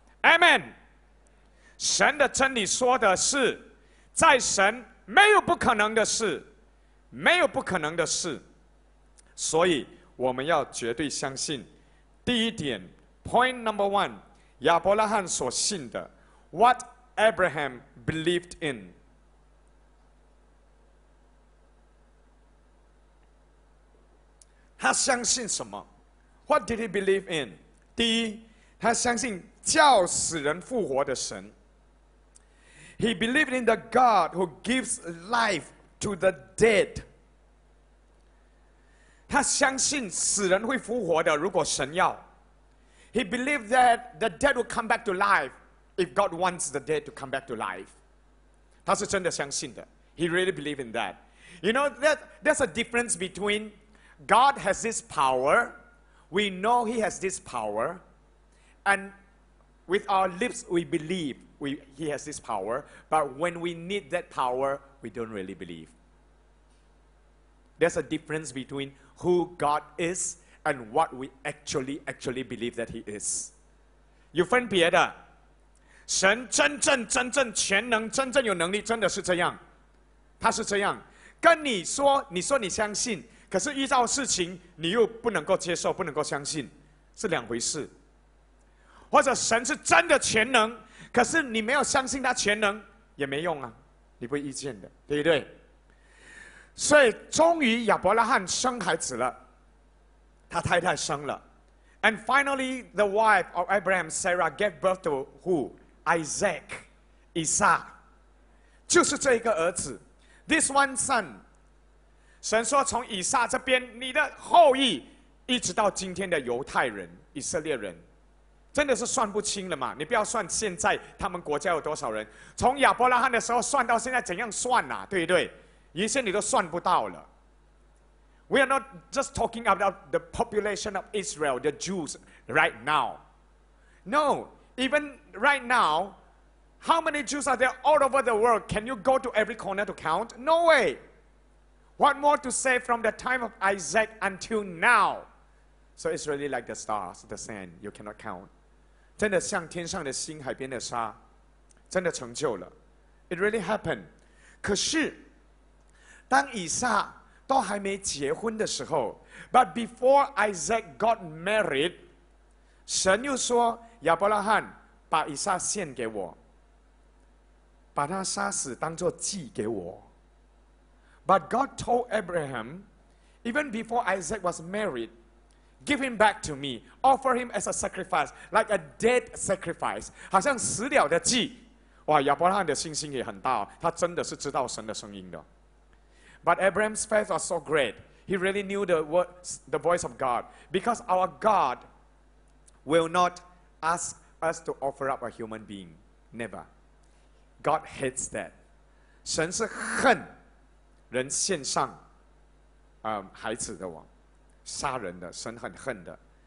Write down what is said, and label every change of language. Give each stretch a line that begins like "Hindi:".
English: Amen.
Chinese: 神的真理说的是，在神没有不可能的事，没有不可能的事。所以我们要绝对相信。第一点 ，
English: point number one，
Chinese: 亚伯拉罕所信的 ，
English: what Abraham believed in。
Chinese: 他相信什么 ？
English: What did he believe in？
Chinese: 第一，他相信叫死人复活的神。
English: He believed in the God who gives life to the dead.
Chinese: 他相信死人会复活的，如果神要。
English: He believed that the dead will come back to life if God wants the dead to come back to life.
Chinese: 他是真的相信的。
English: He really believed in that. You know, there's a difference between God has this power, we know he has this power, and with our lips we believe. He has this power, but when we need that power, we don't really believe. There's a difference between who God is and what we actually believe that He is.
Chinese: 有分别的，神真正全能，真正有能力，真的是这样，他是这样。跟你说，你说你相信，可是遇到事情，你又不能够接受，不能够相信，是两回事。或者神是真的全能。可是你没有相信他全能也没用啊，你不会遇见的，对不对？所以终于亚伯拉罕生孩子了，他太太生了。
English: And finally the wife of Abraham, Sarah, gave birth to who?
Chinese: Isaac, 以撒，就是这一个儿子。
English: This one son,
Chinese: 神说从以撒这边你的后裔一直到今天的犹太人以色列人，真的是算不清了嘛，你不要算现在他们国家有多少人，从亚伯拉罕的时候算到现在怎样算啊，对不对？一些你都算不到了。
English: We are not just talking about the population of Israel, the Jews right now. No, even right now, how many Jews are there all over the world? Can you go to every corner to count? No way. What more to say from the time of Isaac until now? So it's really like the stars, the sand, you cannot count.
Chinese: 真的像天上的星，海边的沙，真的成就了。
English: It really happened.
Chinese: 可是，当以撒都还没结婚的时候
English: ，But before Isaac got married,
Chinese: 神又说，亚伯拉罕，把以撒献给我，把他杀死当作祭给我。
English: But God told Abraham, even before Isaac was married, give him back to me, offer him as a sacrifice, like a dead sacrifice,
Chinese: 好像死了的祭。哇，亚伯拉罕的信心也很大，他真的是知道神的声音的。
English: But Abraham's faith was so great, he really knew the words, the voice of God, because our God will not ask us to offer up a human being, never. God hates that.
Chinese: 神是恨人献上孩子的，杀人的，神很恨的。